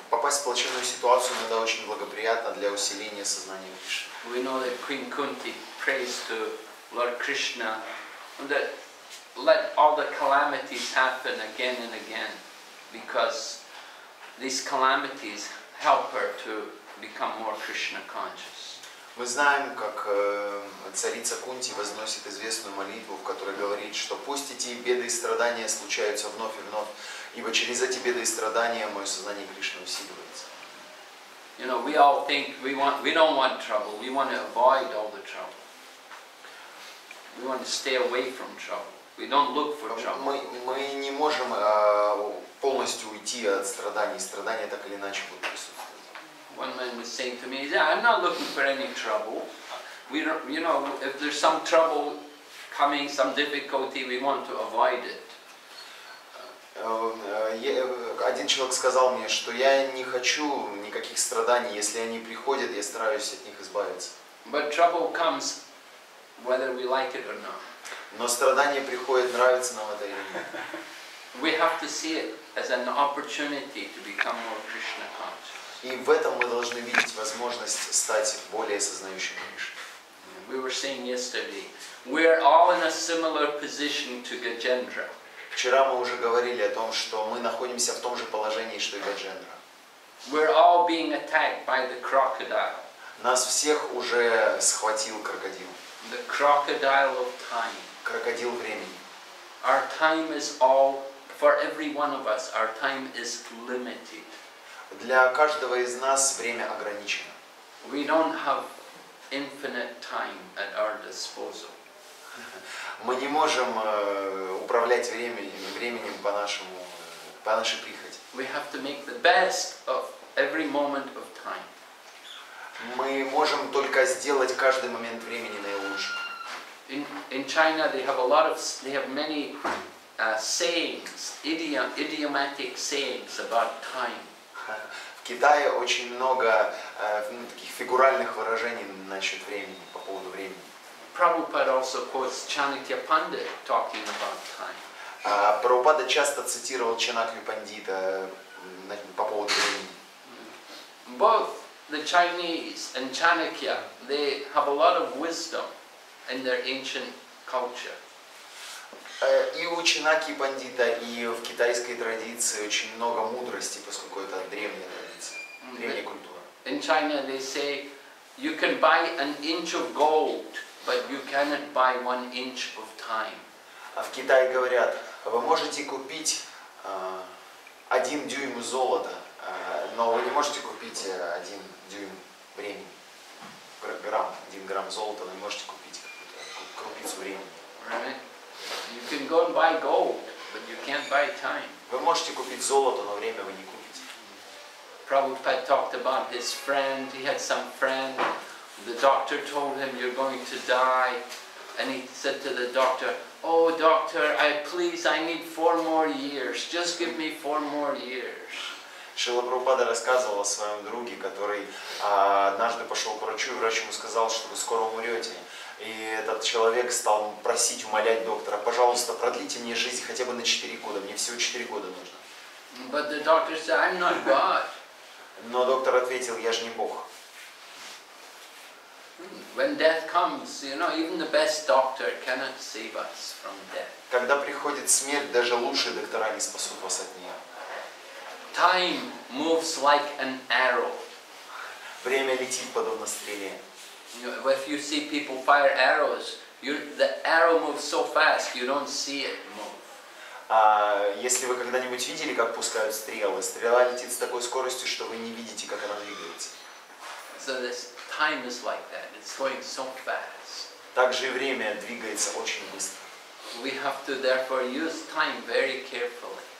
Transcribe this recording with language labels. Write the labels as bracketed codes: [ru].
[ru] Попасть в плачевную ситуацию иногда очень благоприятно для усиления сознания Кришны. [en] We know that Queen Kunti prays to Lord Krishna that let all the calamities happen again and again because these calamities help her to become more Krishna conscious. [ru] Мы знаем, как царица Кунти возносит известную молитву, в которой говорит, что пусть эти беды и страдания случаются вновь и вновь, ибо через эти беды и страдания мое сознание Кришны усиливается. [en] You know, we all think we don't want trouble. We want to avoid all the trouble. We want to stay away from trouble. We don't look for trouble. [ru] Мы не можем полностью уйти от страданий. Страдания так или иначе будут присутствовать. [en] One man was saying to me, "Yeah, I'm not looking for any trouble. We don't, you know, if there's some trouble coming, some difficulty, we want to avoid it." [ru] Один человек сказал мне, что я не хочу никаких страданий. Если они приходят, я стараюсь от них избавиться. [en] But trouble comes, whether we like it or not. [ru] Но страдания приходят, нравится нам это или нет. [en] We have to see it as an opportunity to become more Krishna conscious. [ru] И в этом мы должны видеть возможность стать более сознающим Кришной. [en] We were saying yesterday, we are all in a similar position to Gajendra. [ru] Вчера мы уже говорили о том, что мы находимся в том же положении, что и Гаджендра. [en] We're all being attacked by the crocodile. [ru] Нас всех уже схватил крокодил. [en] The crocodile of time. [ru] Крокодил времени. [en] Our time is all, for every one of us, our time is limited. [ru] Для каждого из нас время ограничено. [en] We don't have infinite time at our disposal. [ru] Мы не можем управлять временем по нашей прихоти. [en] We have to make the best of every moment of time. [ru] Мы можем только сделать каждый момент времени наилучшим. [en] In China they have a lot of they have many sayings, idiomatic sayings about time. [ru] В Китае очень много таких фигуральных выражений насчет времени, по поводу времени. [en] Prabhupada also quotes Chanakya Pandit talking about time. [ru] Прабхупада часто цитировал Чанакью Пандита по поводу времени. [en] Both the Chinese and Chanakya, they have a lot of wisdom in their ancient culture. [ru] И у Чинаки Пандита, и в китайской традиции очень много мудрости, поскольку это древняя традиция, древняя культура. [en] In China they say, you can buy an inch of gold, but you cannot buy one inch of time. [ru] А в Китае говорят, вы можете купить один дюйм золота, но вы не можете купить один дюйм времени. Грамм, один грамм золота, но не можете купить какую-то крупицу времени. [en] You can go and buy gold, but you can't buy time. [ru] Вы можете купить золото, но время вы не купите. [en] Prabhupada talked about his friend. He had some friend. The doctor told him, "You're going to die." And he said to the doctor, "Oh, doctor, I need 4 more years. Just give me 4 more years." [ru] Шрила Прабхупада рассказывал о своем друге, который однажды пошел к врачу, и врач ему сказал, что вы скоро умрете. И этот человек стал просить, умолять доктора, пожалуйста, продлите мне жизнь хотя бы на 4 года, мне всего 4 года нужно. [en] But the doctor said, I'm not God. [ru] Но доктор ответил, я же не Бог. [en] When death comes, you know, even the best doctor cannot save us from death. [ru] Когда приходит смерть, даже лучшие доктора не спасут вас от нее. [en] Time moves like an arrow. [ru] Время летит подобно стреле. [en] You know, if you see people fire arrows, the arrow moves so fast you don't see it move. [ru] Если вы когда-нибудь видели, как пускают стрелы, стрела летит с такой скоростью, что вы не видите, как она двигается. [en] So this time is like that. It's going so fast. [ru] Также и время двигается очень быстро. [en] We have to therefore use time very carefully.